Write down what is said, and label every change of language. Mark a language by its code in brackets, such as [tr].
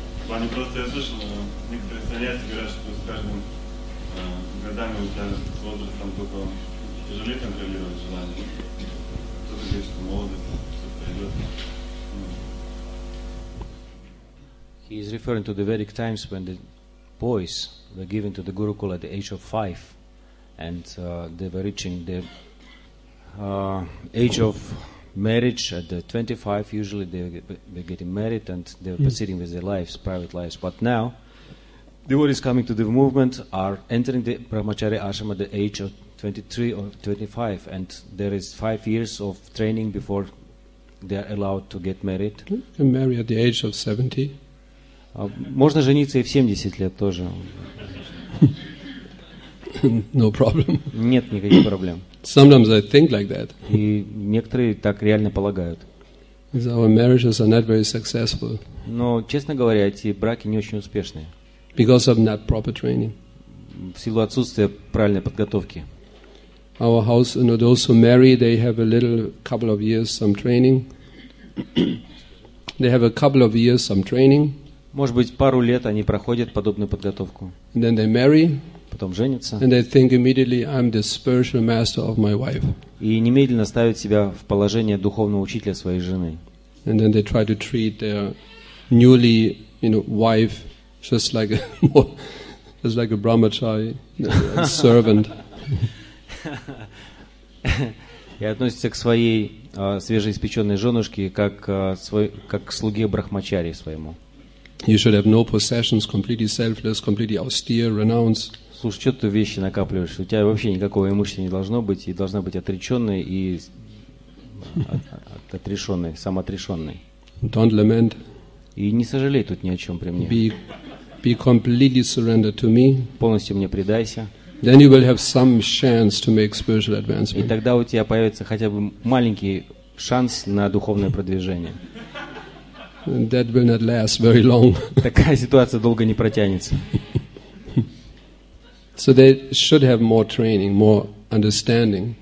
[ru] Ваня, просто я слышал, некоторые саньяси говорят, что с каждым годами у тебя с возрастом только тяжелее контролировать желание. Кто-то говорит, что молодость, все пройдет. [en] He is referring to the Vedic times when the boys were given to the Gurukul at the age of 5, and they were reaching the age of marriage at the 25. Usually they were getting married and they were proceeding with their lives, private lives. But now, devotees coming to the movement are entering the Brahmacharya Ashram at the age of 23 or 25, and there is 5 years of training before they are allowed to get married. You can marry at the age of 70. [ru] Можно жениться и в 70 лет тоже. [en] No problem. [ru] Нет никаких проблем. [en] Sometimes I think like that. [ru] И некоторые так реально полагают. [en] Our marriages are not very successful. [ru] Но, честно говоря, эти браки не очень успешные. [en] Because of not proper training. [ru] В силу отсутствия правильной подготовки. [en] Our house, you know, those who marry, they have a little couple of years some training. They have a couple of years some training. [ru] Может быть, пару лет они проходят подобную подготовку. [en] And then they marry, [ru] потом женятся. [en] And they think immediately, I'm the spiritual master of my wife. [ru] И немедленно ставят себя в положение духовного учителя своей жены. [en] And then they try to treat their newly, you know, wife just like a just like a brahmachari, a servant. [ru] И относятся к своей свежеиспеченной женушке как к слуге брахмачари своему. [en] You should have no possessions, completely selfless, completely austere, renounce. [ru] Слушай, что ты вещи накапливаешь? У тебя вообще никакого имущества не должно быть, и должна быть отреченной и отрешенной, самоотрешенной. [en] Don't lament. [ru] И не сожалей тут ни о чем при мне. [en] Be completely surrendered to me. [ru] Полностью мне предайся. [en] then you will have some chance to make spiritual advancement. [ru] И тогда у тебя появится хотя бы маленький шанс на духовное продвижение. [en] That will not last very long. [ru] Такая ситуация долго не протянется. [en] So they should have more training, more understanding.